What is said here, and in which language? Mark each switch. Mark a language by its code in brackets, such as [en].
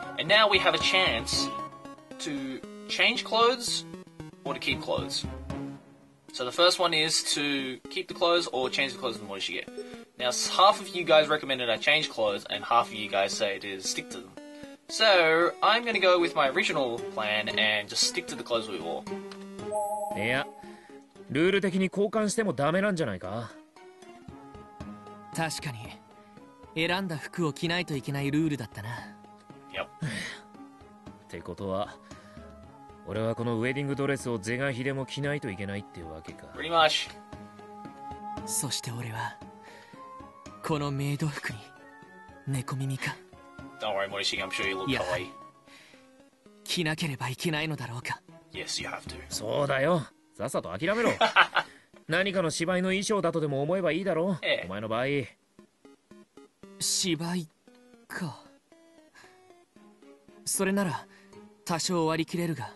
[en] And now we have a chance to change clothes or to keep clothes. So the first one is to keep the clothes or change the clothes the more you get. Now, half of you guys recommended I change clothes, and half of you guys say to stick to them. So, I'm going to go with my original plan and just stick to the clothes we wore. Yeah. [ja] ルール的に交換してもダメなんじゃないか? 確かに。選んだ服を着ないといけないルールだったな。 [en] Yep. [ja] ってことは… 俺はこのウェディングドレスを是が非でも着ないといけないってわけか。 [en] Pretty much. [ja] そして俺はこのメイド服に猫耳か。 [en] Don't worry, Morishige, I'm sure you look kawaii. [ja] 着なければいけないのだろうか。 [en] Yes, you have to. [ja] そうだよ。さっさと諦めろ。何かの芝居の衣装だとでも思えばいいだろ。 [en] Yeah. [ja] お前の場合。芝居か。それなら 多少割り切れるが。